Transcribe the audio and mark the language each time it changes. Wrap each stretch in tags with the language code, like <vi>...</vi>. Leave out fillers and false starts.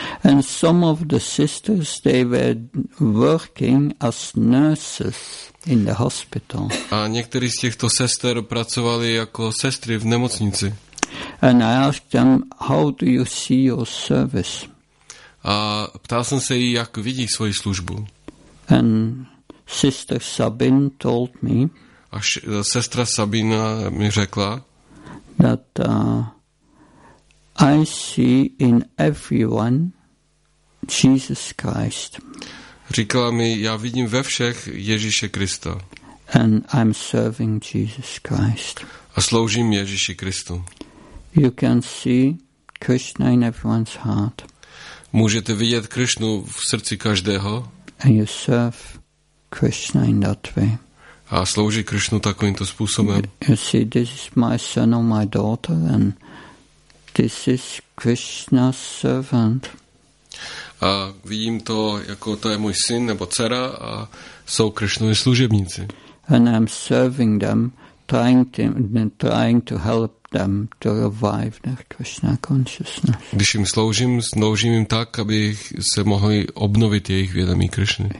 <en>And some of the sisters, they were working as nurses in the hospital.</en> <cs>A některý z těchto sester pracovali jako sestry v nemocnici.</cs> <en>And I asked them, how do you see your service?</en> <cs>A ptal jsem se jí, jak vidí svoji službu.</cs> <en>And sister Sabine told me.</en> <cs>A sestra Sabina mi řekla.</cs> <en>That I see in everyone Jesus Christ.</en> <cs>Říkala mi, já vidím ve všech Ježíše Krista.</cs> <en>And I'm serving Jesus Christ.</en> <cs>A sloužím Ježíši Kristu.</cs> <en>You can see Krishna in everyone's heart.</en> <cs>Můžete vidět Krishnu v srdci každého.</cs> <en>And you serve Krishna in that way.</en> <cs>A slouží Krishnu takovýmto způsobem.</cs> <en>You see, this is my son or my daughter, and this is Krishna's servant.</en> <cs>A vidím to, jako to je můj syn nebo dcera, a jsou Krishnovi služebníci.</cs> <en>And I'm serving them, trying to help them to revive their Krishna consciousness.</en> <cs>Když jim sloužím, sloužím jim tak, aby se mohli obnovit jejich vědomí Krishny.</cs>